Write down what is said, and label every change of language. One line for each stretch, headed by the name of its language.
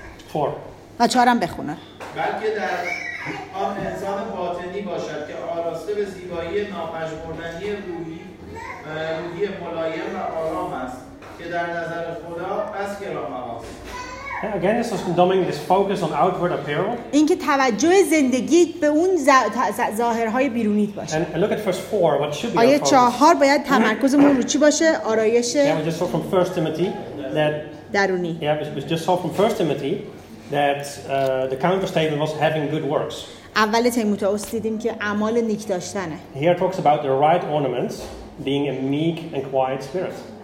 Persian: بلکه در آن انسان باطنی باشد که آراسته به زیبایی ناپژمردنی روحی ملایم و آرام است که در نظر خدا بس گرام است.
English: Again, this is condemning this focus on outward apparel.
Persian: اینکه توجه زندگی به اون ظاهرهای بیرونی باشه.
English: And look at verse 4, what should be
Persian: آیه 4 باید تمرکزمون رو چی باشه؟ آرایش.
English: Yeah, we just saw from 1 Timothy that
Persian: درونی.
English: Yeah, we just saw from 1 Timothy that the counter statement was having good works.
Persian: اول تیموتائوس دیدیم که اعمال نیک داشتنه.
English: Here talks about the right ornaments being a meek and quiet spirit.